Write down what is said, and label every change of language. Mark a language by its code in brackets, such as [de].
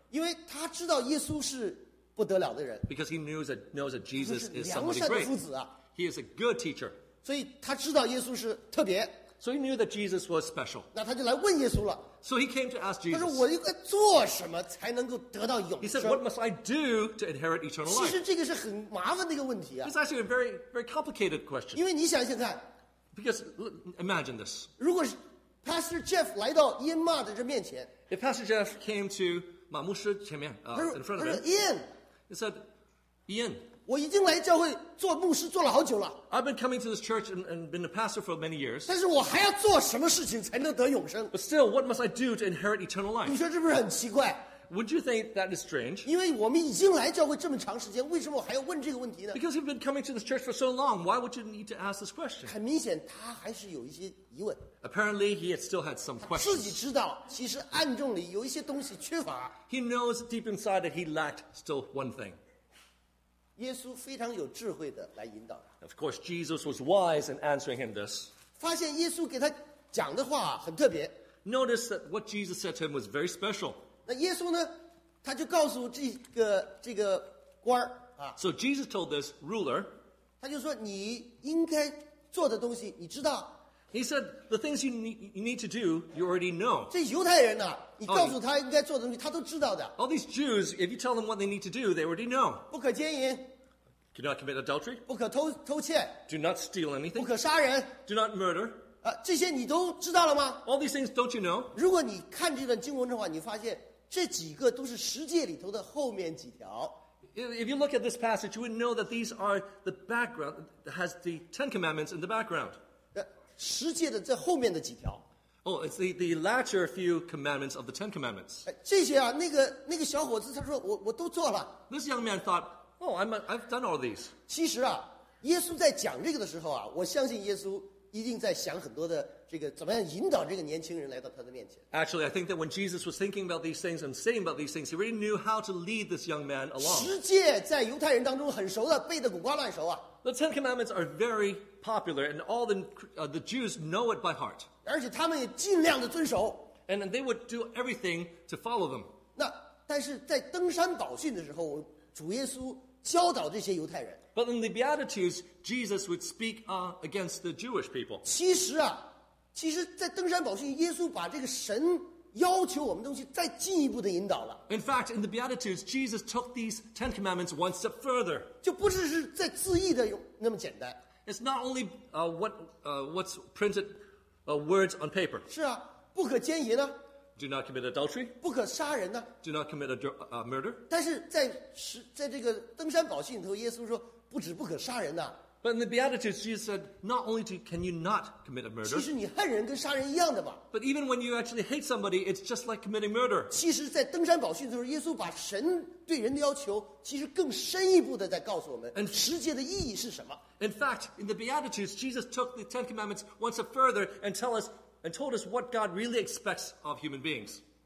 [zh] 因为他知道耶稣是不得了的人。 [en] Because he knows that Jesus is somebody great. He is a good teacher. [zh] 所以他知道耶稣是特别。 [en] So he knew that Jesus was special. [zh] 那他就来问耶稣了。 [en] So he came to ask Jesus. [zh] 他说我应该做什么才能够得到永生？ [en] He said, "What must I do to inherit eternal life?" [zh] 其实这个是很麻烦的一个问题啊。 [en] It's actually a very, very complicated question. [zh] 因为你想想看。 [en] Because imagine this. [zh] 如果是 Pastor Jeff 来到 Ian Ma 的这面前。 [en] If Pastor Jeff came to [zh] 马牧师前面 [en] in front of him. [zh] 他说 Ian. [en] He said, Ian. [zh] 我已经来教会做牧师做了好久了。 [en] I've been coming to this church and been a pastor for many years. [zh] 但是我还要做什么事情才能得永生？ [en] But still, what must I do to inherit eternal life? [zh] 你说是不是很奇怪？ [en] Would you think that is strange? [zh] 因为我们已经来教会这么长时间，为什么我还要问这个问题呢？ [en] Because you've been coming to this church for so long, why would you need to ask this question? [zh] 很明显，他还是有一些疑问。 [en] Apparently, he had still had some questions. [zh] 他自己知道，其实暗中里有一些东西缺乏。 [en] He knows deep inside that he lacked still one thing. [zh] 耶稣非常有智慧的来引导他。 [en] Of course, Jesus was wise in answering him this. [zh] 发现耶稣给他讲的话很特别。 [en] Notice that what Jesus said to him was very special. [zh] 那耶稣呢，他就告诉这个官啊。 [en] So Jesus told this ruler. [zh] 他就说你应该做的东西你知道。 [en] He said the things you need to do, you already know. [zh] 这犹太人呢，你告诉他应该做的东西，他都知道的。 [en] All these Jews, if you tell them what they need to do, they already know. [zh] 不可奸淫。 [en] Do not commit adultery. [zh] 不可偷窃。 [en] Do not steal anything. [zh] 不可杀人。 [en] Do not murder. [zh] 啊，这些你都知道了吗 [en] ？All these things, don't you know? [zh] 如果你看这段经文的话，你发现这几个都是十诫里头的后面几条。 [en] If you look at this passage, you would know that these are the background has the Ten Commandments in the background. [zh] 十诫的这后面的几条。 [en] Oh, it's the latter few commandments of the Ten Commandments. [zh] 这些啊，那个小伙子他说我都做了。 [en] This young man thought, oh, I've done all these. [zh] 其实啊，耶稣在讲这个的时候啊，我相信耶稣一定在想很多的这个怎么样引导这个年轻人来到他的面前。 [en] Actually, I think that when Jesus was thinking about these things and saying about these things, he really knew how to lead this young man along. [zh] 十诫在犹太人当中很熟的，背的滚瓜烂熟啊。 [en] The Ten Commandments are very popular, and all the Jews know it by heart. [zh] 而且他们也尽量的遵守。 [en] And they would do everything to follow them. [zh] 那但是在登山宝训的时候，主耶稣教导这些犹太人。 [en] But in the Beatitudes, Jesus would speak against the Jewish people. [zh] 其实在登山宝训，耶稣把这个神要求我们东西再进一步的引导了。 [en] In fact, in the Beatitudes, Jesus took these Ten Commandments one step further. [zh] 就不只是在字义的那么简单。 [en] It's not only what's printed words on paper. [zh] 是啊，不可奸淫呢。 [en] Do not commit adultery. [zh] 不可杀人呢。 [en] Do not commit murder. [zh] 但是在这个登山宝训里头，耶稣说不止不可杀人呢。 [en] But in the Beatitudes, Jesus said, not only can you not commit a murder. [zh] 其实你恨人跟杀人一样的嘛。 [en] But even when you actually hate somebody, it's just like committing murder. [zh] 其实在登山宝训的时候，耶稣把神对人的要求其实更深一步的在告诉我们十诫的意义是什么。 [en] In fact, in the Beatitudes, Jesus took the Ten Commandments one step further and told us what God really expects of human beings.